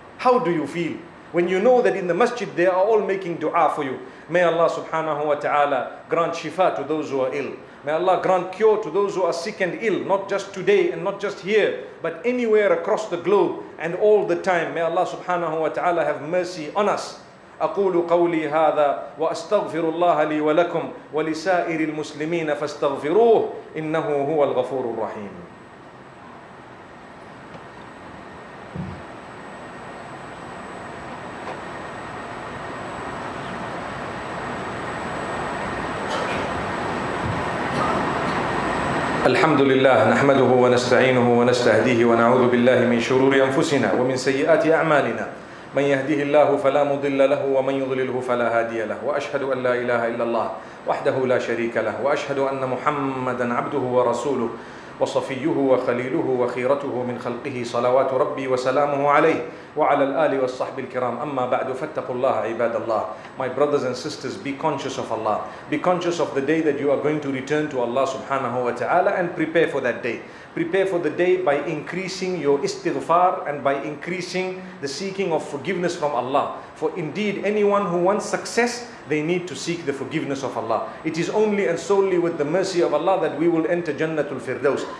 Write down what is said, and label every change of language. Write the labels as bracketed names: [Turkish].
[English] How do you feel when you know that in the masjid they are all making dua for you? May Allah subhanahu wa ta'ala grant shifa to those who are ill. May Allah grant cure to those who are sick and ill, not just today and not just here, but anywhere across the globe and all the time. May Allah subhanahu wa ta'ala have mercy on us. [Arabic] أقول قولي هذا وأستغفر الله لي ولكم ولسائر المسلمين فاستغفروه إنه هو الغفور الرحيم. الحمد لله نحمده ونستعينه ونستهديه ونعوذ بالله من شرور أنفسنا ومن سيئات أعمالنا من يهده الله فلا مضل له ومن يضلله فلا هادي له وأشهد أن لا إله إلا الله وحده لا شريك له وأشهد أن محمدا عبده ورسوله وصفيه وخليله وخيرته من خلقه صلوات ربي وسلامه عليه وعلى الآل والصحب الكرام أما بعد فاتقوا الله عباد الله. [English] My brothers and sisters, be conscious of Allah. Be conscious of the day that you are going to return to Allah subhanahu wa ta'ala, and prepare for that day. Prepare for the day by increasing your istighfar and by increasing the seeking of forgiveness from Allah. For indeed, anyone who wants success, they need to seek the forgiveness of Allah. It is only and solely with the mercy of Allah that we will enter Jannatul Firdaus.